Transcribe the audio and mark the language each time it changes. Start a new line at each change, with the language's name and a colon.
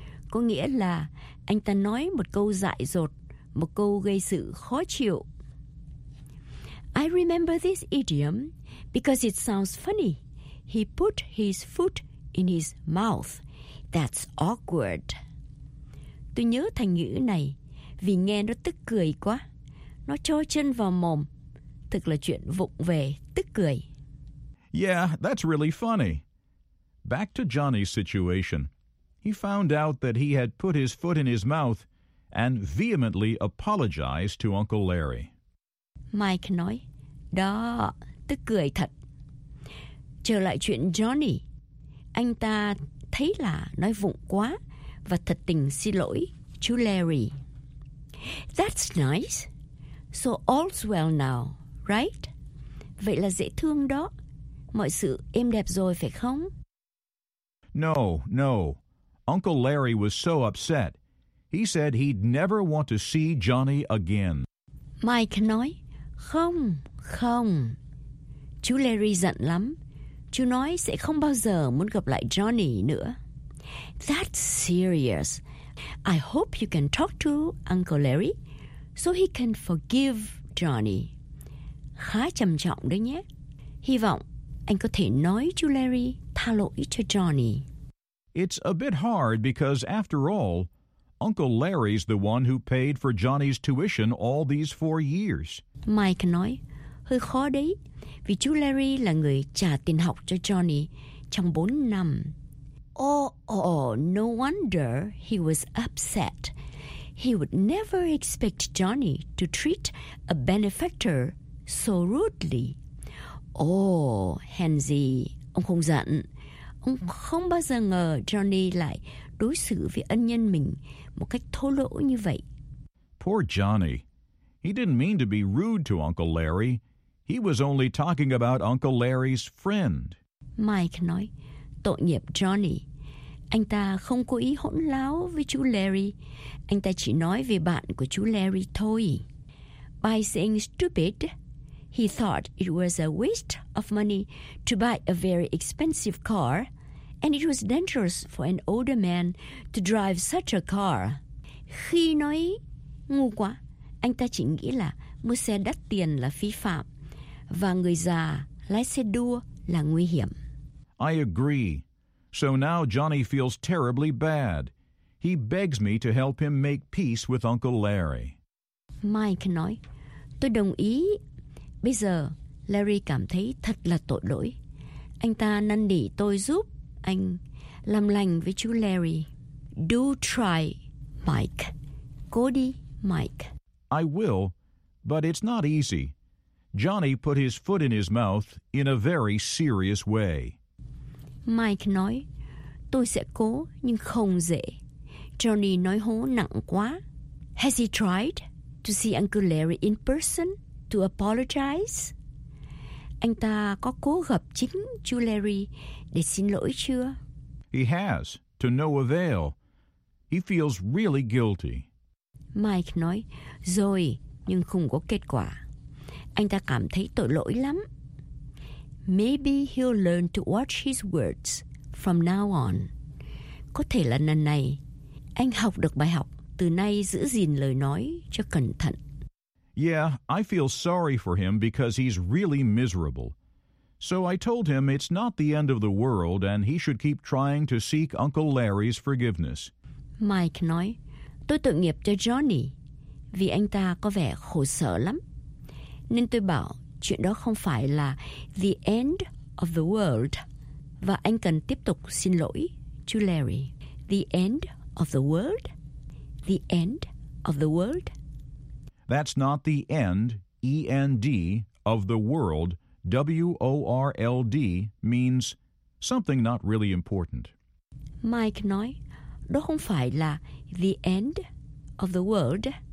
Vietnamese: Có nghĩa là anh ta nói một câu dại dột, một câu gây sự khó chịu.
English: I remember this idiom because it sounds funny. He put his foot in his mouth. That's awkward.
Vietnamese: Tôi nhớ thành ngữ này vì nghe nó tức cười quá. Nó cho chân vào mồm. Thực là chuyện vụng về, tức cười.
English: Yeah, that's really funny. Back to Johnny's situation. He found out that he had put his foot in his mouth and vehemently apologized to Uncle Larry.
Vietnamese: Mike nói, đó, tức cười thật. Trở lại chuyện Johnny. Anh ta thấy là nói vụng quá và thật tình xin lỗi chú Larry.
English: That's nice. So all's well now, right?
Vietnamese: Vậy là dễ thương đó. Mọi sự êm đẹp rồi phải không?
English: No, no. Uncle Larry was so upset. He said he'd never want to see Johnny again.
Vietnamese: Mike nói, không, không. Chú Larry giận lắm. Chú nói sẽ không bao giờ muốn gặp lại Johnny nữa.
English: That's serious. I hope you can talk to Uncle Larry so he can forgive Johnny.
Vietnamese: Khá trầm trọng đấy nhé. Hy vọng anh có thể nói chú Larry tha lỗi cho Johnny.
English: It's a bit hard because, after all, Uncle Larry's the one who paid for Johnny's tuition all these 4 years.
Vietnamese: Mike nói, hơi khó đấy, vì chú Larry là người trả tiền học cho Johnny trong 4 năm.
English: Oh, no wonder he was upset. He would never expect Johnny to treat a benefactor so rudely.
Vietnamese: Oh, Henzi, ông không giận. Ông không bao giờ ngờ Johnny lại đối xử với ân nhân mình một cách thô lỗ như vậy.
English: Poor Johnny. He didn't mean to be rude to Uncle Larry. He was only talking about Uncle Larry's friend.
Vietnamese: Mike nói, tội nghiệp Johnny. Anh ta không cố ý hỗn láo với chú Larry. Anh ta chỉ nói về bạn của chú Larry thôi.
English: By saying stupid, he thought it was a waste of money to buy a very expensive car, and it was dangerous for an older man to drive such a car.
Vietnamese: Khi nói ngu quá, anh ta chỉ nghĩ là mua xe đắt tiền là phi phạm, và người già lái xe đua là nguy hiểm.
English: I agree. So now Johnny feels terribly bad. He begs me to help him make peace with Uncle Larry.
Vietnamese: Mike nói, tôi đồng ý. Bây giờ, Larry cảm thấy thật là tội lỗi. Anh ta năn nỉ tôi giúp anh làm lành với chú Larry.
English: Do try, Mike.
Vietnamese: Cố đi, Mike.
English: I will, but it's not easy. Johnny put his foot in his mouth in a very serious way.
Vietnamese: Mike nói, tôi sẽ cố, nhưng không dễ. Johnny nói hố nặng quá.
English: Has he tried to see Uncle Larry in person to apologize?
Vietnamese: Anh ta có cố gặp chính chú Larry để xin lỗi chưa?
English: He has, to no avail. He feels really guilty.
Vietnamese: Mike nói, rồi, nhưng không có kết quả. Anh ta cảm thấy tội lỗi lắm.
English: Maybe he'll learn to watch his words from now on.
Vietnamese: Có thể là lần này, anh học được bài học, từ nay giữ gìn lời nói cho cẩn thận.
English: Yeah, I feel sorry for him because he's really miserable. So I told him it's not the end of the world and he should keep trying to seek Uncle Larry's forgiveness.
Vietnamese: Mike nói, tôi tội nghiệp cho Johnny vì anh ta có vẻ khổ sở lắm. Nên tôi bảo, chuyện đó không phải là
English: the end of the world.
Vietnamese: Và anh cần tiếp tục xin lỗi chú Larry.
English: The end of the world? The end of the world? That's not the end, E-N-D, of the world. W-O-R-L-D means something not really important.
Vietnamese: Mike nói, đó không phải là
English: the end of the world.